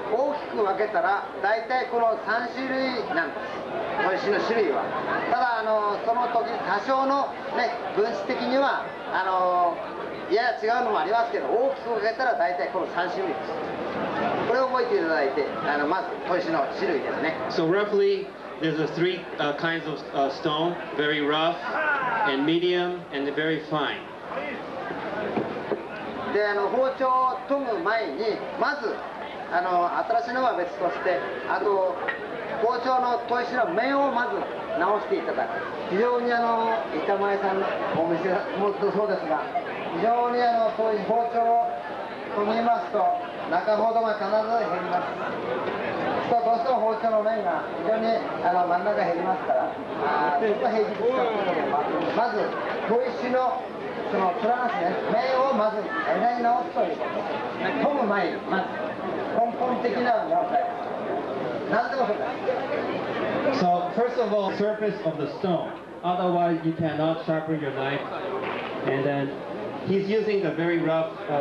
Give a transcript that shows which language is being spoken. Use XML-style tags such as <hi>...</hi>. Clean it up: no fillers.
<ja>大きく分けたら、大体この3種類なんです、砥石の種類は。ただ、あのその時、多少の、ね、分子的にはあの、いや違うのもありますけど、大きく分けたら大体この3種類です。これを覚えていただいて、あのまず砥石の種類ですね。</ja> <en>So roughly there's a three kinds of stone, very rough and medium and very fine.</en> <ja>で、あの包丁を研ぐ前にまずあの新しいのは別として、あと包丁の砥石の面をまず直していただく。非常にあの板前さんのお店もそうですが、非常にあのそういう包丁を研ぎますと。中ほどが必ず減ります。そうどうしても包丁の面が非常にあの真ん中減りますから、ちょっと平気で使ってもらう。まず砥石のそのプランスね、面をまず洗い直すということ。研ぐ前にまず根本的なもの。なんでもそうだ。</ja> <en>So first of all, surface of the stone. Otherwise, you cannot sharpen your knife. And then he's using the very rough.</en>